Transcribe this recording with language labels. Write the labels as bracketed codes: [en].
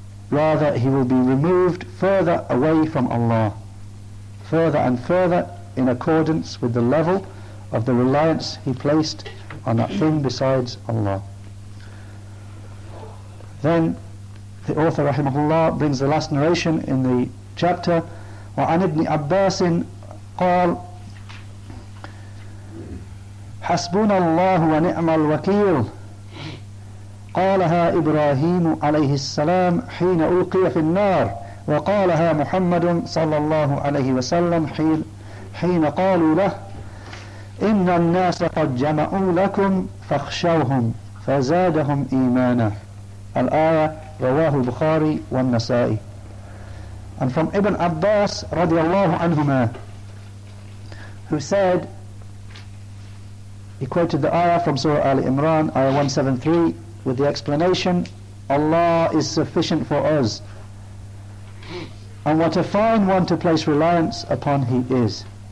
[en] Rather, he will be removed further away from Allah, further and further, in accordance with the level of the reliance he placed on that thing besides Allah. Then the author, rahimahullah, brings the last narration in the chapter. [ar] وَعَنِ ابْنِ عَبَّاسٍ قَالْ حَسْبُنَ اللَّهُ وَنِعْمَ الْوَكِيلُ قالها إبراهيم عليه السلام حين ألقي في النار وقالها محمد صلى الله عليه وسلم حين قالوا له إن الناس قد جمعوا لكم فاخشوهم فزادهم إيمانا. الآية رواه البخاري والنسائي. [en] And from Ibn Abbas [ar] رضي الله عنهما, [en] who said, he quoted the ayah from Surah Ali Imran, ayah 173, with the explanation, Allah is sufficient for us, and what a fine one to place reliance upon he is.